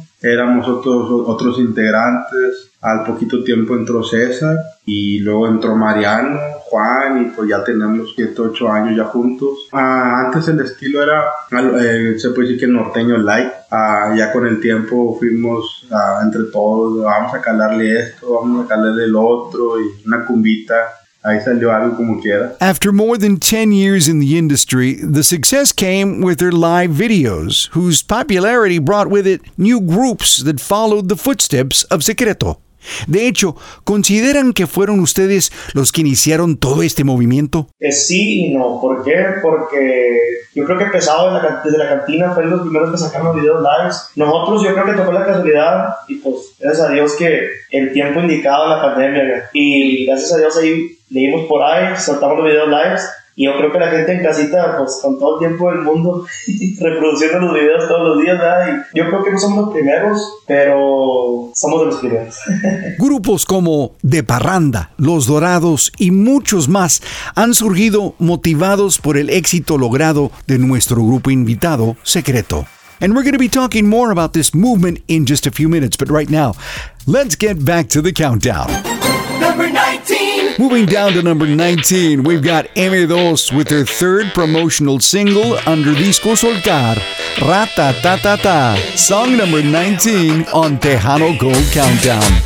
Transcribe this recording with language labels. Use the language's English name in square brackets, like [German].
[Spanish] Éramos otros integrantes. Al poquito tiempo entró César y luego entró Mariano, Juan, y pues ya tenemos 7-8 años ya juntos. Antes el estilo era, se puede decir que norteño light. Ya con el tiempo fuimos entre todos, vamos a calarle esto, vamos a calarle el otro, y una cumbita. Ahí salió algo como quiera. [English] After more than 10 years in the industry, the success came with their live videos, whose popularity brought with it new groups that followed the footsteps of Secreto. [Spanish] De hecho, ¿consideran que fueron ustedes los que iniciaron todo este movimiento? Sí y no. ¿Por qué? Porque yo creo que empezado desde la cantina, fueron los primeros que sacaron los videos lives. Nosotros, yo creo que tocó la casualidad, y pues gracias a Dios que el tiempo indicado, la pandemia, y gracias a Dios ahí leímos por ahí, saltamos los videos lives. Y yo creo que la gente en casita, pues con todo el tiempo del mundo, reproduciendo los videos todos los días, ¿verdad? Y yo creo que no somos los primeros, pero somos de los primeros. Grupos como De Parranda, Los Dorados y muchos más han surgido motivados por el éxito logrado de nuestro grupo invitado, Secreto. [English] And we're going to be talking more about this movement in just a few minutes, but right now, let's get back to the countdown. Number 19. Moving down to number 19, we've got M2 with their third promotional single under Disco Soltar, Ratatatata, song number 19 on Tejano Gold Countdown.